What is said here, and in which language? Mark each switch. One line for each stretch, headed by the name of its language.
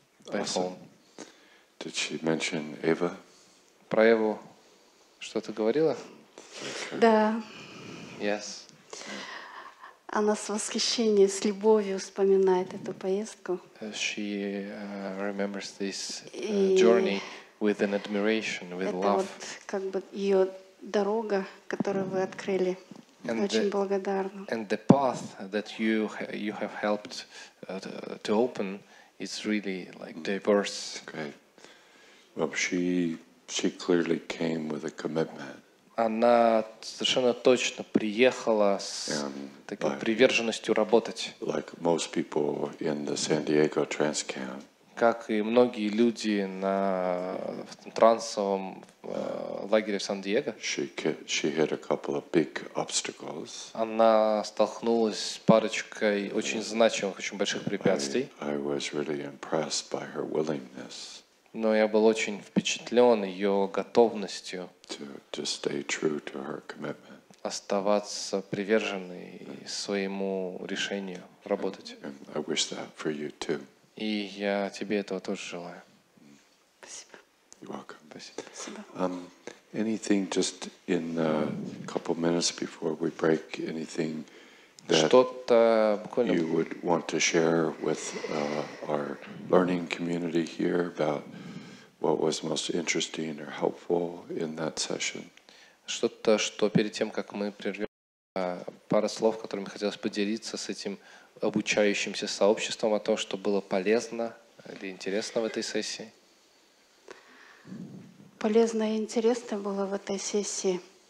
English: Awesome. Did she mention Eva?
Russian: Про Эву что-то говорила? Да.
English: Yes.
Russian: Она с восхищением, с любовью вспоминает эту поездку.
English: She remembers this journey with an admiration, with
Russian: это
English: love.
Russian: Вот как бы ее дорога, которую вы открыли. And очень the, благодарна.
English: And the path that you have helped to open. It's really like diverse. Okay. Well, she clearly came with a commitment.
Russian: Она совершенно точно приехала с такой приверженностью работать.
English: Like most people in the San Diego Transcam.
Russian: Как и многие люди на в трансовом лагере в Сан-Диего.
English: She hit a couple of big obstacles.
Russian: Она столкнулась с парочкой очень значимых, очень больших препятствий.
English: I was really impressed by her willingness.
Russian: Но я был очень впечатлен ее готовностью
English: to stay true to her commitment.
Russian: Оставаться приверженной своему решению работать.
English: I wish that for you too.
Russian: И я тебе этого тоже желаю. Спасибо.
English: You're welcome.
Russian: Спасибо.
English: Anything just in a couple minutes before we break, anything that you would want to share with our learning community here about what was most interesting or helpful in that session?
Russian: Что-то, что перед тем, как мы прервем, пара слов, которыми хотелось поделиться с этим обучающимся сообществом о том, что было полезно или интересно в этой сессии? Полезно и интересно было в этой сессии.